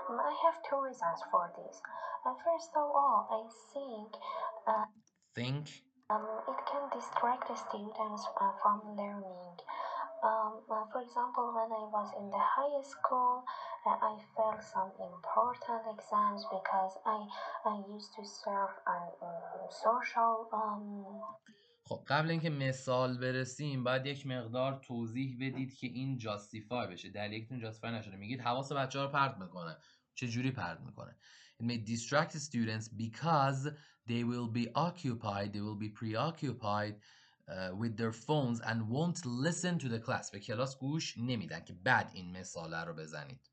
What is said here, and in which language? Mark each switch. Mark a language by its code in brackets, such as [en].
[en] I have two reasons for this. First of all, I think it can distract the students from learning. For example, when I was in the high school, I failed some important exams because I used to serve on social [fa] خب قبل اینکه مثال برسیم باید یک مقدار توضیح بدید که این جاستیفای بشه. دلیلتون جاستیفای نشده. میگید حواس بچه‌ها رو پرت میکنه. چه جوری پرت میکنه؟ [en] It may distract students because they will be occupied, they will be preoccupied with their phones and won't listen to the class. [fa] به کلاس گوش نمیدن که بعد این مثال رو بزنید.